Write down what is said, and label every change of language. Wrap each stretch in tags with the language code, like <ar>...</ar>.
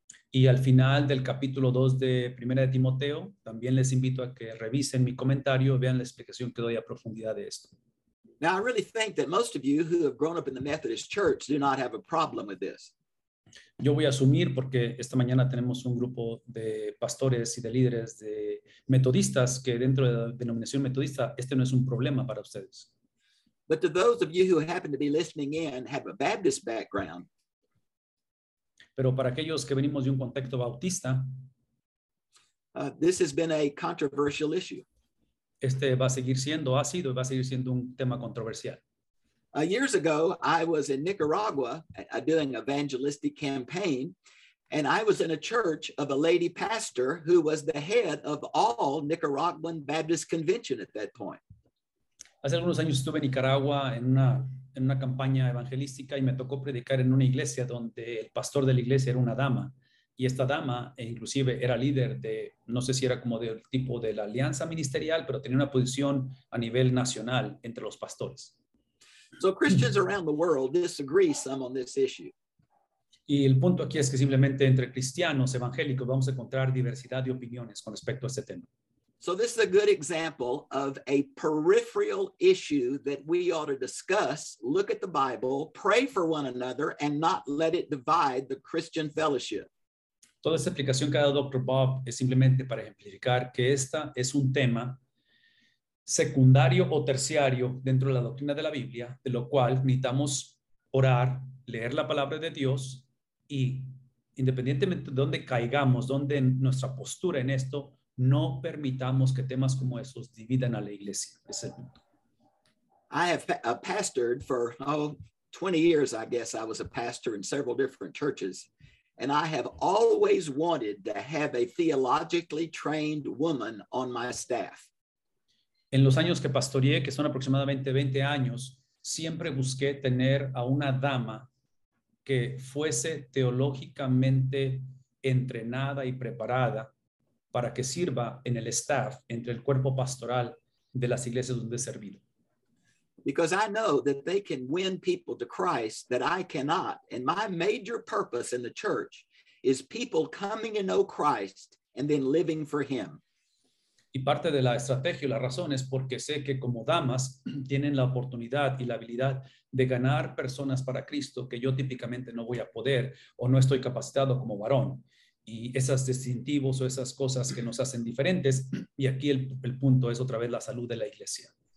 <es>Y al final del capítulo 2 de 1 de Timoteo, también les invito a que revisen mi comentario, vean la explicación que doy a profundidad de esto.</es> <en>Now, I really think that most of you who have grown up in the Methodist Church do not have a problem with this.</en> <es>Yo voy a asumir porque esta mañana tenemos un grupo de pastores y de líderes de metodistas que dentro de la denominación metodista, este no es un problema para ustedes.</es> <en>But to those of you who happen to be listening in have a Baptist background.</en> <es>Pero para aquellos que venimos de un contexto bautista.</es> <en>This has been a controversial issue.</en> <es>Este va a seguir siendo, ha sido, va a seguir siendo un tema controversial.</es> <en>Years ago, I was in Nicaragua doing evangelistic campaign, and I was in a church of a lady pastor who was the head of all Nicaraguan Baptist Convention at that point.</en> <es>Hace algunos años estuve en Nicaragua en una campaña evangelística y me tocó predicar en una iglesia donde el pastor de la iglesia era una dama, Y esta dama, inclusive, era líder de, no sé si era como del tipo de la alianza ministerial, pero tenía una posición a nivel nacional entre los pastores.</es> <en>So Christians around the world disagree some on this issue.</en> <es>Y el punto aquí es que simplemente entre cristianos evangélicos vamos a encontrar diversidad de opiniones con respecto a este tema.</es> <en>So this is a good example of a peripheral issue that we ought to discuss, look at the Bible, pray for one another, and not let it divide the Christian fellowship.</en> <es>Toda esta explicación que ha dado Dr. Bob es simplemente para ejemplificar que esta es un tema secundario o terciario dentro de la doctrina de la Biblia, de lo cual necesitamos orar, leer la palabra de Dios, y independientemente de dónde caigamos, dónde nuestra postura en esto, no permitamos que temas como esos dividan a la iglesia. Es el punto.</es> <en>I have pastored for 20 years, I guess. I was a pastor in several different churches. And I have always wanted to have a theologically trained woman on my staff.</en> <es>En los años que pastoreé, que son aproximadamente 20 años, siempre busqué tener a una dama que fuese teológicamente entrenada y preparada para que sirva en el staff, entre el cuerpo pastoral de las iglesias donde he servido.</es> <en>Because I know that they can win people to Christ that I cannot. And my major purpose in the church is people coming to know Christ and then living for him.</en> <es>Y parte de la estrategia y la razón es porque sé que como damas tienen la oportunidad y la habilidad de ganar personas para Cristo que yo típicamente no voy a poder o no estoy capacitado como varón. Y esos distintivos o esas cosas que nos hacen diferentes, y aquí el punto es otra vez la salud de la iglesia.</es>